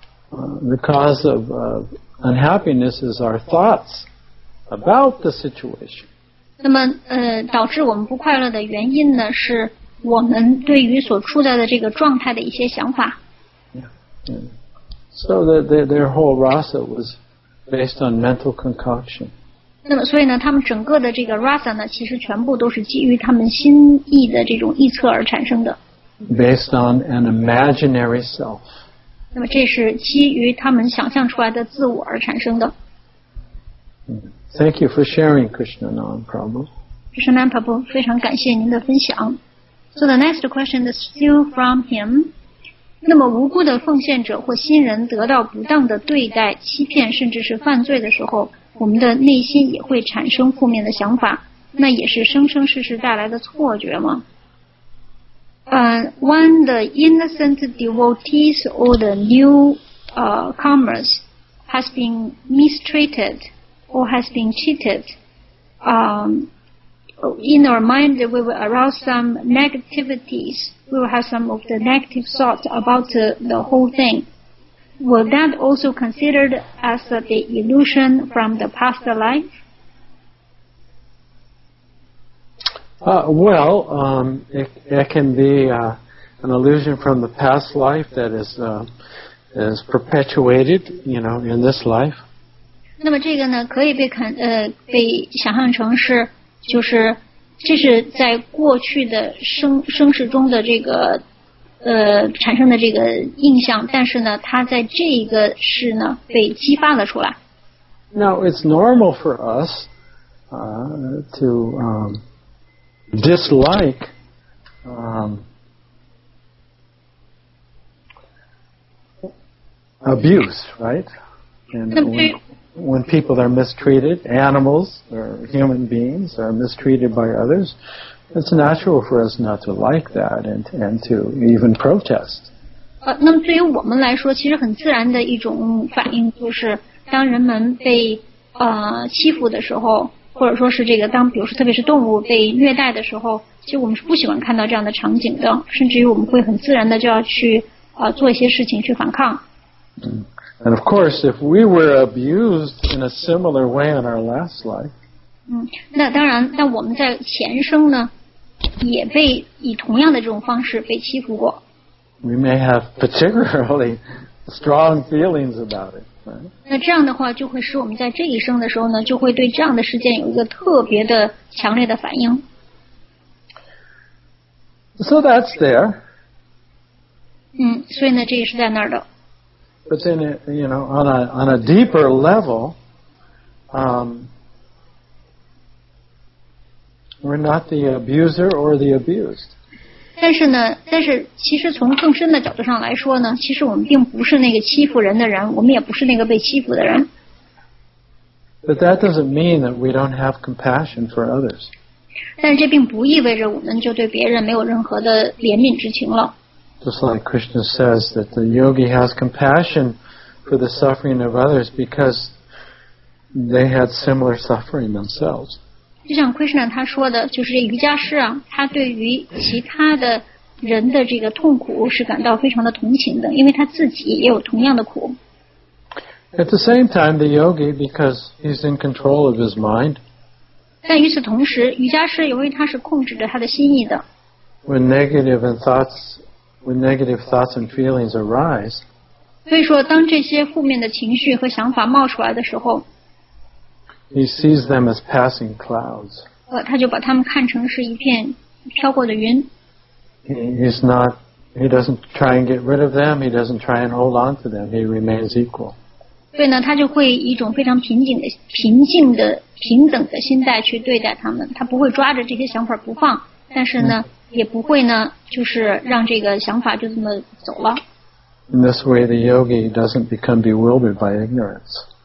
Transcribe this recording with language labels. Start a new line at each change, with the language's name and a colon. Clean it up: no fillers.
English: The cause of unhappiness is our thoughts about the situation.
Chinese: 那么导致我们不快乐的原因呢是我们对于所处在的这个状态的一些想法。
English: Yeah. So their whole rasa was based on mental concoction.
Chinese: 那么所以呢他们整个的这个 rasa 呢其实全部都是基于他们心意的这种臆测而产生的。
English: Based on an imaginary self.
Chinese: 那么这是基于他们想象出来的自我而产生的。
English: Thank you for sharing, Krishnanand Prabhu.
Chinese: Krishnanand Prabhu, 非常感谢您的分享。
English: So the next question is still from him.
Chinese: 那么无辜的奉献者或新人得到不当的对待、欺骗甚至是犯罪的时候，我们的内心也会产生负面的想法，那也是生生世世带来的错觉吗？
English: When the innocent devotees or the newcomers has been mistreated or has been cheated, in our mind we will arouse some negativities, we will have some of the negative thoughts about the whole thing. Will that also considered as the illusion from the past life? It can be an illusion from the past life that is perpetuated, you know, in this life.
Chinese: 那么这个呢，可以被想象成是，就是这是在过去的生世中的这个产生的这个印象，但是呢，它在这一个世呢被激发了出来。
English: Now it's normal for us to. Dislike abuse, right? And when people are mistreated, animals or human beings are mistreated by others, it's natural for us not to like that and to even protest.
Chinese: 那么对于我们来说，其实很自然的一种反应就是，当人们被欺负的时候。或者说是这个当比如说特别是动物被虐待的时候其实我们是不喜欢看到这样的场景的甚至于我们会很自然的就要去做一些事情去反抗
English: And of course if we were abused in a similar way in our last life
Chinese: 那当然那我们在前生呢也被以同样的这种方式被欺负过
English: We may have particularly strong feelings about it
Chinese: 那这样的话就会使我们在这一生的时候呢就会对这样的事件有一个特别的强烈的反应
English: So that's there
Chinese: 所以呢这也是在那儿的
English: But then you know on a deeper level we're not the abuser or the abused
Chinese: 但是呢但是其实从更深的角度上来说呢其实我们并不是那个欺负人的人我们也不是那个被欺负的人
English: But that doesn't mean that we don't have compassion for others
Chinese: 但这并不意味着我们就对别人没有任何的怜悯之情了
English: Just like Krishna says that the yogi has compassion for the suffering of others because they had similar suffering themselves
Chinese: 就像 Krishna 他说的就是这瑜伽师啊他对于其他的人的这个痛苦是感到非常的同情的因为他自己也有同样的苦
English: At the same time the yogi because he's in control of his mind
Chinese: 但与此同时瑜伽师由于他是控制着他的心意的
English: When negative thoughts and feelings arise
Chinese: 所以说当这些负面的情绪和想法冒出来的时候
English: He sees them as passing clouds.
Chinese: 他就把他们看成是一片飘过的云。
English: He doesn't try and get rid of them. He doesn't try and hold on to them. He remains equal.
Chinese: 对呢，他就会以一种非常平静的、平等的心态去对待他们。他不会抓着这些想法不放，但是呢，也不会呢，就是让这个想法就这么走了。
English: In this way, the yogi doesn't become bewildered by ignorance.